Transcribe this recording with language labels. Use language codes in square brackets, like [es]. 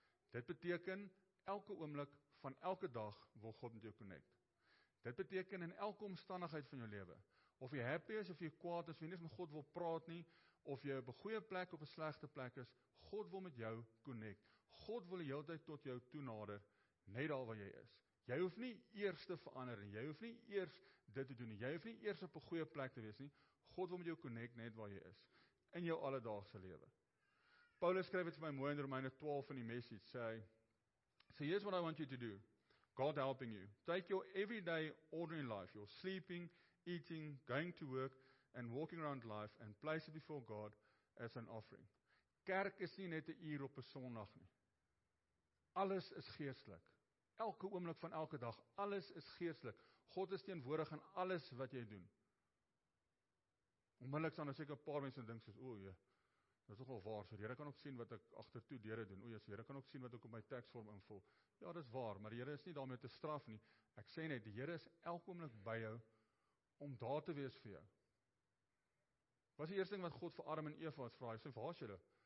[af] dit beteken, elke oomblik van elke dag, wil God met jou connect, dit beteken in elke omstandigheid van jou leven, of jy happy is, of jy kwaad is, of jy nie met God wil praat nie, of jy op 'n goeie plek, of 'n slegte plek is, God wil met jou connect, God wil die hele tyd tot jou toenader, net daar waar jy is, jy hoef nie eers te verander, jy hoef nie eers dit te doen, jy hoef nie eers op 'n goeie plek te wees nie, God wil met jou connect net waar jy is, in jou alledaagse lewe. Paulus skryf het vir my mooi in Romeine 12 in die message, sê, [en] so here's what I want you to do, God helping you, take your everyday ordinary life, your sleeping, eating, going to work, and walking around life, and place it before God as an offering. [af] Kerk is nie net 'n uur op 'n Sondag nie, alles is geestelik, elke oomblik van elke dag, alles is geestelik, God is teenwoordig in alles wat jy doen, onmiddellik staan, as ek 'n paar mense dink, soos, oe, dit is toch al waar, so die Here kan ook sien wat ek achter toe deure doen, oe, so die Here kan ook sien wat ek op my tekstvorm invul, ja, dit is waar, maar die Here is nie daarmee te straf nie, ek sê net, die Here is elke oomblik by jou, om daar te wees vir jou, was die eerste ding wat God vir Adam en Eva het vraag, hy sê, waar is julle?